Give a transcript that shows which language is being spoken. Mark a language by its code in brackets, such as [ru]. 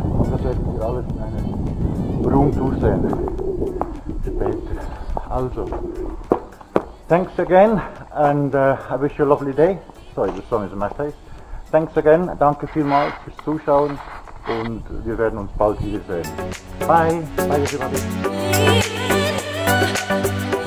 [de] Das werdet ihr alles in einer Roomtour sehen. Später. [en] Also, thanks again and I wish you a lovely day. Sorry, the sun is in my face. Thanks again, [de] danke vielmals fürs Zuschauen und wir werden uns bald wiedersehen. [en] Bye, bye everybody.